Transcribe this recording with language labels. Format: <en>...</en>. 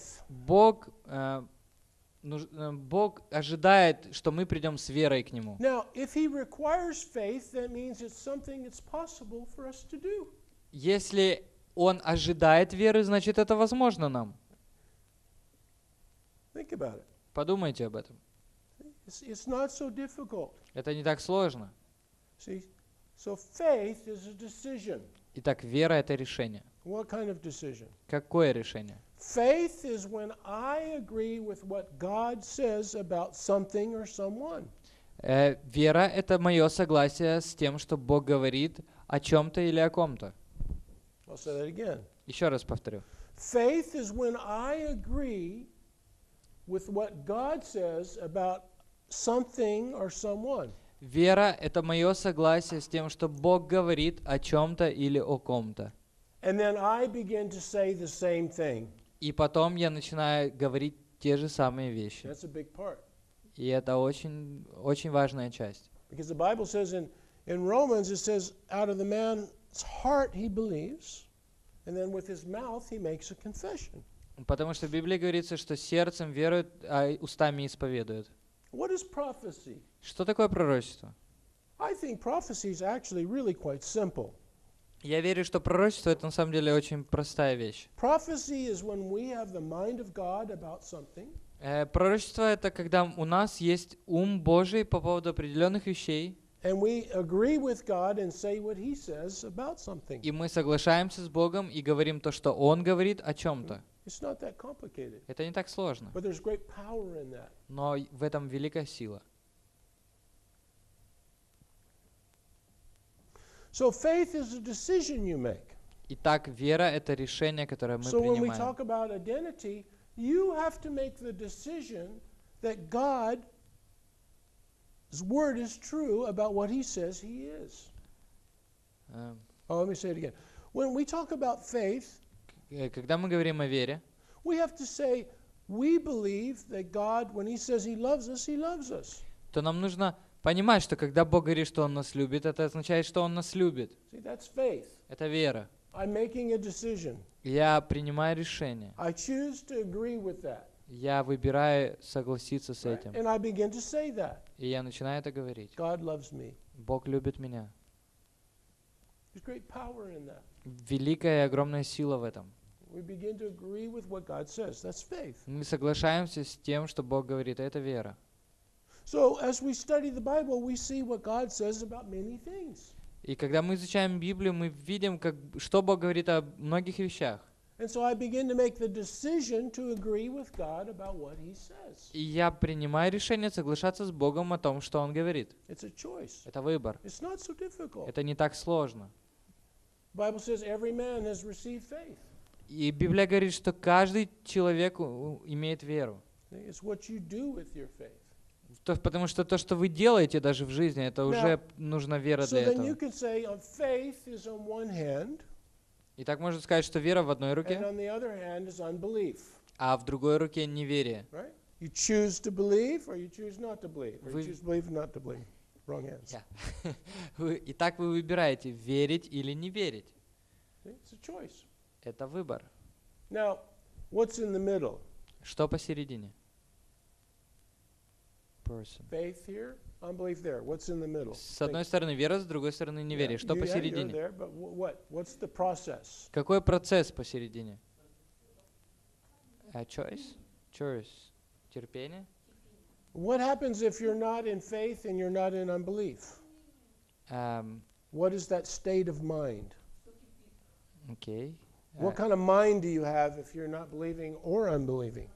<ru>Бог ожидает, что мы придем с верой к Нему.</ru> <en>Now, if he requires faith, that means it's something that's possible for us to do.</en> <ru>Если Он ожидает веры, значит, это возможно нам.</ru> <en>Think about it.</en> <ru>Подумайте об этом.</ru> <en>It's not so difficult.</en> <ru>Это не так сложно.</ru> <en>See? So faith is a decision.</en> <ru>Итак, вера — это решение.</ru> <en>What kind of decision?</en> <ru>Какое решение?</ru> <en>Faith is when I agree with what God says about something or someone.</en> <ru>Вера — это мое согласие с тем, что Бог говорит о чем-то или о ком-то.</ru> <en>I'll say that again.</en> <ru>Еще раз повторю.</ru> <en>Faith is when I agree with what God says about something or someone.</en> <ru>Вера — это мое согласие с тем, что Бог говорит о чем-то или о ком-то.</ru> <en>And then I begin to say the same thing.</en> <ru>И потом я начинаю говорить те же самые вещи.</ru> <en>That's a big part.</en> <ru>И это очень, очень важная часть.</ru> <en>Because the Bible says in Romans, it says, out of the man... His heart he believes, and then with his mouth he makes a confession.</en> <ru>Потому что в Библии говорится, что сердцем верует, а устами исповедует.</ru> <en>What is prophecy?</en> <ru>Что такое пророчество?</ru> <en>I think prophecy is actually really quite simple.</en> <ru>Я верю, что пророчество это на самом деле очень простая вещь.</ru> <en>Prophecy is when we have the mind of God about something.</en> <ru>Пророчество это когда у нас есть ум Божий по поводу определенных вещей.</ru> <en>And we agree with God and say what He says about something.</en> <ru>И мы соглашаемся с Богом и говорим то, что Он говорит о чем-то.</ru> <en>It's not that complicated.</en> <ru>Это не так сложно.</ru> <en>But there's great power in that.</en> <ru>Но в этом великая сила.</ru> <en>So faith is a decision you make.</en> <ru>Итак, вера — это решение, которое мы принимаем.</ru> <en>So when we talk about identity, you have to make the decision that God His word is true about what he says he is. Let me say it again. When we talk about faith,</en> <ru>когда мы говорим о вере,</ru> <en>we have to say we believe that God, when he says he loves us, he loves us.</en> <ru>То нам нужно понимать, что когда Бог говорит, что он нас любит, это означает, что он нас любит.</ru> <en>See, that's faith.</en> <ru>Это вера.</ru> <en>I'm making a decision.</en> <ru>Я принимаю решение.</ru> <en>I choose to agree with that.</en> <ru>Я выбираю согласиться с этим.</ru> <en>And I begin to say that.</en> <ru>И я начинаю это говорить.</ru> <en>God loves me.</en> <ru>Бог любит меня.</ru> <en>There's great power in that.</en> <ru>Великая и огромная сила в этом.</ru> <en>We begin to agree with what God says. That's faith.</en> <ru>Мы соглашаемся с тем, что Бог говорит, а это вера.</ru> <en>So as we study the Bible, we see what God says about many things.</en> <ru>И когда мы изучаем Библию, мы видим, как, что Бог говорит о многих вещах.</ru> <en>And so I begin to make the decision to agree with God about what he says.</en> <ru>И я принимаю решение соглашаться с Богом о том, что он говорит.</ru> <en>It's a choice.</en> <ru>Это выбор.</ru> <en>It's not so difficult.</en> <ru>Это не так сложно.</ru> <en>The Bible says every man has received faith.</en> <ru>И Библия говорит, что каждый человек имеет веру.</ru> <en>It's what you do with your faith.</en> <ru>То, потому что то, что вы делаете даже в жизни, это</ru> <en>Now,</en> <ru>уже нужна вера</ru> <en>so</en> <ru>для этого.</ru> <en>You can say, faith is on one hand,</en> <ru>и так можно сказать, что вера в одной руке,</ru> <en>and on the other hand is unbelief.</en> <ru>А в другой руке неверие.</ru> <en>Right? You choose to believe or you choose not to believe. Or you choose to believe or not to believe. Wrong hands. Yeah.</en> <ru>И так вы выбираете, верить или не верить.</ru> <en>It's a choice.</en> <ru>Это выбор.</ru> <en>Now, what's in the middle?</en> <ru>Что посередине?</ru> <en>Faith here, unbelief there. What's in the middle?</en> <ru>С одной стороны вера, с другой стороны неверие. Yeah. Что yeah, посередине?</ru> <en>You're there, but what? What's the process?</en> <ru>Какой процесс посередине?</ru> <en>A choice? Choice.</en> <ru>Терпение?</ru> <en>What happens if you're not in faith and you're not in unbelief? What is that state of mind? Okay. What kind of mind do you have if you're not believing or unbelieving?</en>